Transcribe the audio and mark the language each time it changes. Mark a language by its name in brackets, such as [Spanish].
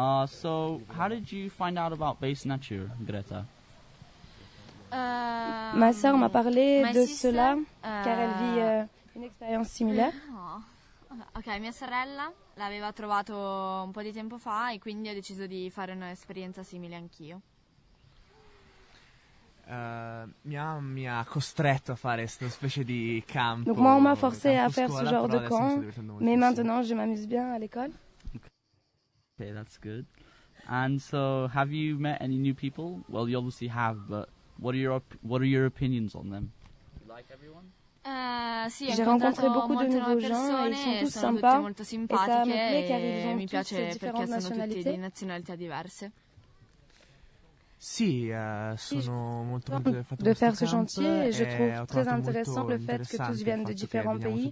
[English] So how did you find out about Base Nature, Greta? [French] Ma sœur m'a parlé de cela car elle vit une expérience similaire. [Italian] Ok, mia sorella l'aveva trovato un po' di tempo fa e quindi ho deciso di fare un'esperienza simile anch'io. Mi ha costretto a fare questa specie di campo. [French] Donc moi on m'a forcé à faire ce genre de camp, mais maintenant je m'amuse bien à l'école. [English] Okay, that's good. And so, have you met any new people? Well, you obviously have, but what are your opinions on them? You like everyone? [French] Sì, j'ai rencontré beaucoup de nouveaux gens, ils sont tous sympas, [Italian] molto [French] simpatiques, et ça me plaît car ils ont tous différentes nationalités diverses. [Italian] Sì, sono molto contento di fare questo chantier e [French] je trouve très intéressant le fait que tous viennent de différents pays.